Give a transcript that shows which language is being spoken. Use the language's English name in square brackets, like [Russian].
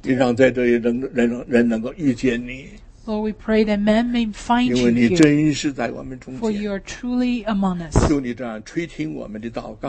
[Chinese] 你让在这里人能够遇见你。 [English] Lord, we pray that men may find you here. [Chinese] 因为你真是在我们中间。 [English] For you are truly among us. [Chinese] 求你这样垂听我们的祷告。